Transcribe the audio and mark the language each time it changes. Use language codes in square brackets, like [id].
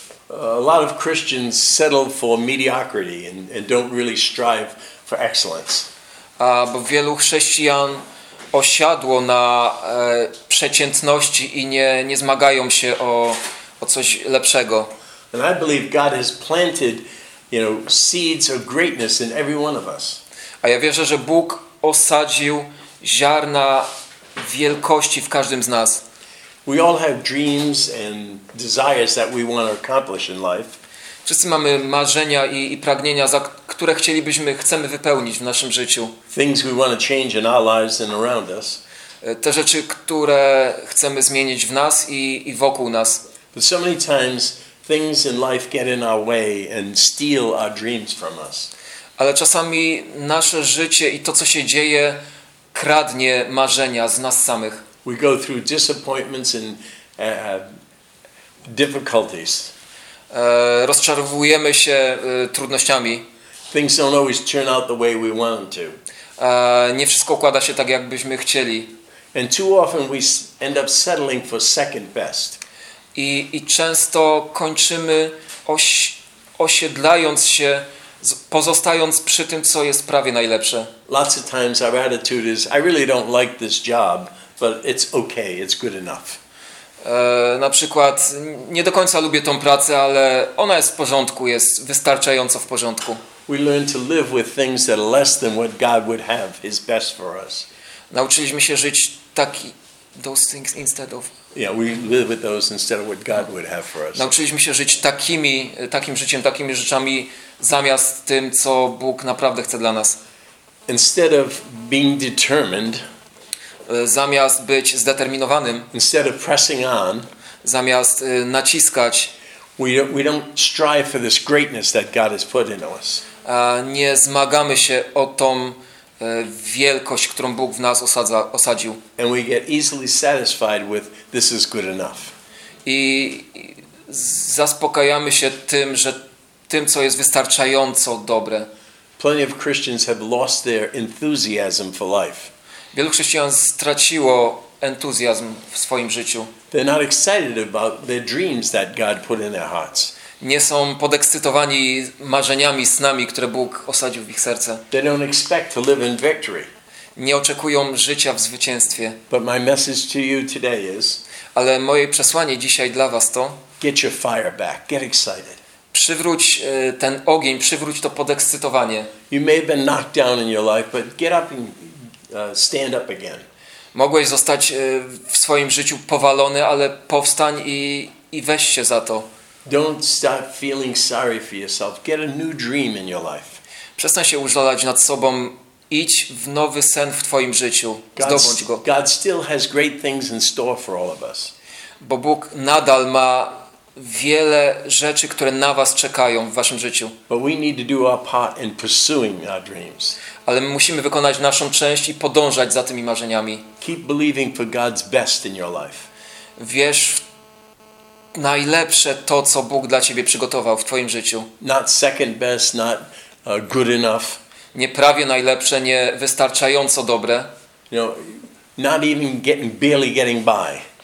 [en] A lot of Christians settle for mediocrity and don't really strive for excellence. [pl] Bo wielu chrześcijan osiadło na przeciętności i nie zmagają się o coś lepszego. [en] And I believe God has planted, you know, seeds of greatness in every one of us. [pl] A ja wierzę, że Bóg osadził ziarna wielkości w każdym z nas. [en] We all have dreams and desires that we want to accomplish in life. [pl] Wszyscy mamy marzenia i pragnienia, za które chcemy wypełnić w naszym życiu. [en] Things we want to change in our lives and around us. [pl] Te rzeczy, które chcemy zmienić w nas i wokół nas. [en] But so many times things in life get in our way and steal our dreams from us. [pl] Ale czasami nasze życie i to, co się dzieje, kradnie marzenia z nas samych. [en] We go through disappointments and difficulties. [pl] Rozczarowujemy się trudnościami. [en] Things don't always turn out the way we want them to. [pl] Nie wszystko układa się tak, jakbyśmy chcieli. [en] And too often we end up settling for second best. [pl] I często kończymy osiedlając się, pozostając przy tym, co jest prawie najlepsze. [en] Lots of times our attitude is, I really don't like this job. But it's okay, it's good enough. [pl] Na przykład, nie do końca lubię tą pracę, ale ona jest w porządku, jest wystarczająco w porządku. [en] We learn to live with things that are less than what God would have His best for us. [pl] Nauczyliśmy się żyć taki [en] those things instead of. Yeah, we live with those instead of what God would have for us. [pl] Nauczyliśmy się żyć takim życiem, takimi rzeczami zamiast tym, co Bóg naprawdę chce dla nas. [en] Instead of being determined. [pl] Zamiast być zdeterminowanym, [en] instead of pressing on, [pl] zamiast naciskać, [en] we don't strive for this greatness that God has put in us. [pl] Nie zmagamy się o tą wielkość, którą Bóg w nas osadził. [en] And we get easily satisfied with this is good enough. [pl] I zaspokajamy się tym, że tym, co jest wystarczająco dobre. [en] Plenty of Christians have lost their enthusiasm for life. [pl] Wielu chrześcijan straciło entuzjazm w swoim życiu. [en] They're not excited about the dreams that God put in their hearts. [pl] Nie są podekscytowani marzeniami, snami, które Bóg osadził w ich serce. [en] They don't expect to live in victory. [pl] Nie oczekują życia w zwycięstwie. [en] But my message to you today is, [pl] ale moje przesłanie dzisiaj dla was to, [en] get your fire back, get excited. [pl] Przywróć ten ogień, przywróć to podekscytowanie. [en] You may have been knocked down in your life, but get up and stand up again. [pl] Mogłeś zostać w swoim życiu powalony, ale powstań i weź się za to. [en] Don't stop feeling sorry for yourself. Get a new dream in your life. [pl] Przestań się użalać nad sobą. Idź w nowy sen w twoim życiu. Zdobądź go. [en] God still has great things in store for all of us. [pl] Bo Bóg nadal ma wiele rzeczy, które na was czekają w waszym życiu. [en] But we need to do our part in pursuing our dreams. [pl] Ale my musimy wykonać naszą część i podążać za tymi marzeniami. [en] Keep believing for God's best in your life. [pl] Wierz w najlepsze to, co Bóg dla ciebie przygotował w twoim życiu. [en] Not second best, not good enough. [pl] Nie prawie najlepsze, nie wystarczająco dobre. [en] You know, not even getting, barely getting by.